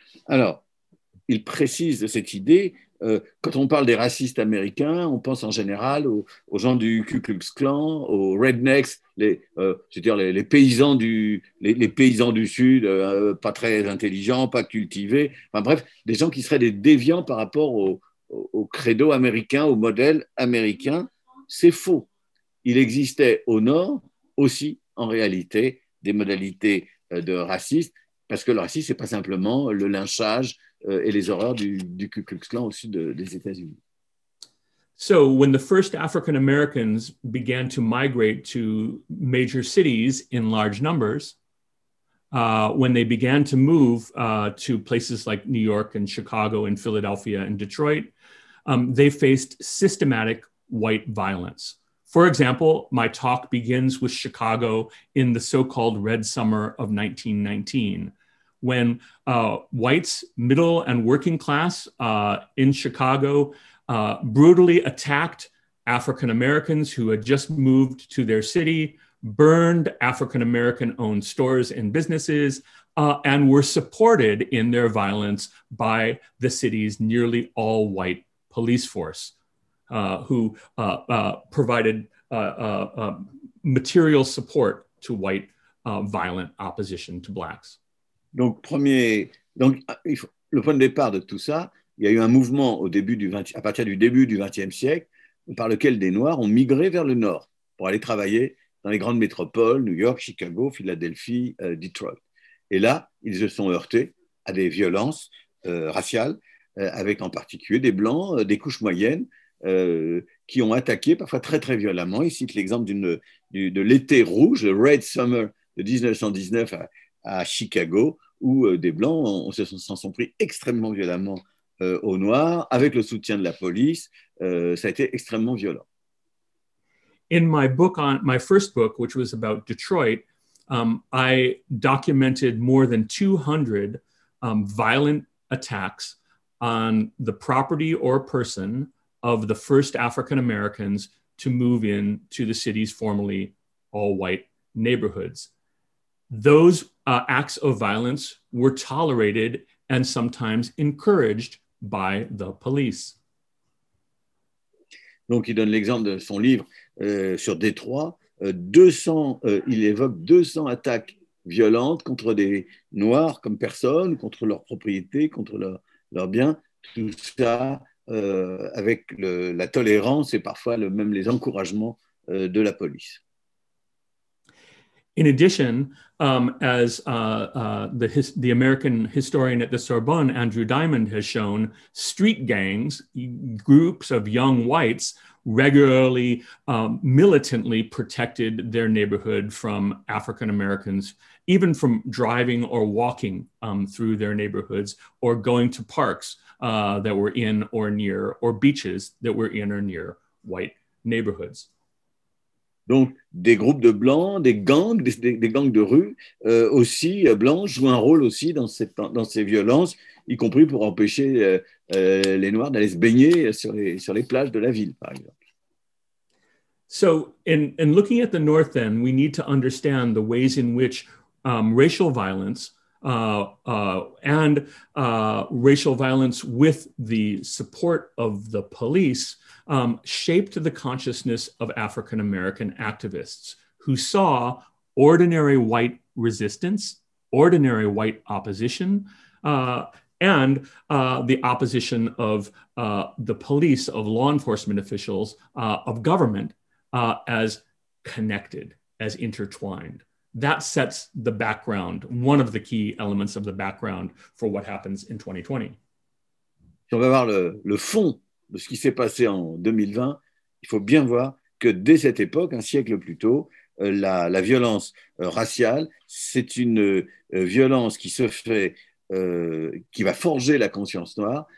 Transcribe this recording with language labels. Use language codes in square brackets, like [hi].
[fr] Alors, il précise de cette idée, quand on parle des racistes américains, on pense en général aux gens du Ku Klux Klan, aux rednecks, les paysans du Sud, pas très intelligents, pas cultivés, enfin bref, des gens qui seraient des déviants par rapport au credo américain, au modèle américain. C'est faux. Il existait au Nord aussi, en réalité, des modalités de racistes, parce que le racisme, ce n'est pas simplement le lynchage et les horreurs du Ku Klux Klan au sud des États-Unis. [en] So when the first African Americans began to migrate to major cities in large numbers, when they began to move to places like New York and Chicago and Philadelphia and Detroit, they faced systematic white violence. For example, my talk begins with Chicago in the so-called Red Summer of 1919. When whites, middle and working class in Chicago brutally attacked African Americans who had just moved to their city, burned African American owned stores and businesses, and were supported in their violence by the city's nearly all white police force, who provided material support to white violent opposition to blacks. [fr] Donc, le point de départ de tout ça, il y a eu un mouvement à partir du début du XXe siècle par lequel des Noirs ont migré vers le Nord pour aller travailler dans les grandes métropoles, New York, Chicago, Philadelphie, Detroit. Et là, ils se sont heurtés à des violences raciales, avec en particulier des Blancs, des couches moyennes, qui ont attaqué parfois très très violemment. Ils citent l'exemple de l'été rouge, le Red Summer de 1919 à Chicago, où des Blancs s'en sont pris extrêmement violemment aux Noirs, avec le soutien de la police. Ça a été extrêmement violent. [en] In my first book, which was about Detroit, I documented more than 200 violent attacks on the property or person of the first African Americans to move into the city's formerly all-white neighborhoods. those acts of violence were tolerated and sometimes encouraged by the police. [fr] Donc, il donne l'exemple de son livre sur Détroit. 200, il évoque 200 attaques violentes contre des Noirs comme personne, contre leurs propriétés, contre leurs biens. Tout ça avec la tolérance et parfois même les encouragements de la police. [en] In addition, as the American historian at the Sorbonne, Andrew Diamond, has shown, street gangs, groups of young whites, regularly, militantly protected their neighborhood from African Americans, even from driving or walking through their neighborhoods, or going to parks that were in or near, or beaches that were in or near white neighborhoods. [fr] Donc, des groupes de blancs, des gangs, des gangs de rue, aussi blancs, jouent un rôle aussi dans ces violences, y compris pour empêcher les Noirs d'aller se baigner sur les plages de la ville, par exemple. [en] So, in looking at the North, then, we need to understand the ways in which racial violence racial violence with the support of the police shaped the consciousness of African American activists who saw ordinary white resistance, ordinary white opposition, the opposition of the police, of law enforcement officials, of government as connected, as intertwined. That sets the background, one of the key elements of the background for what happens in 2020. [fr] Si on veut voir le fond de ce qui s'est passé en 2020, il faut bien voir que dès cette époque, un siècle plus tôt, la violence raciale, c'est une violence qui se fait, qui va forger la conscience noire.